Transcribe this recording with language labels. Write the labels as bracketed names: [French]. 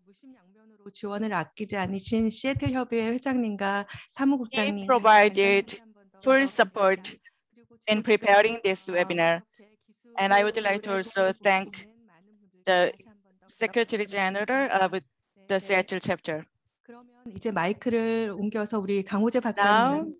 [Korean] 무심양변으로 지원을 아끼지 않으신 시애틀 협의회 회장님과 사무국장님 [English] He provided full support in preparing this webinar. And I would like to also thank the Secretary General of the Seattle Chapter. [Korean] 그러면 이제 마이크를 옮겨서 우리 강호재 박사님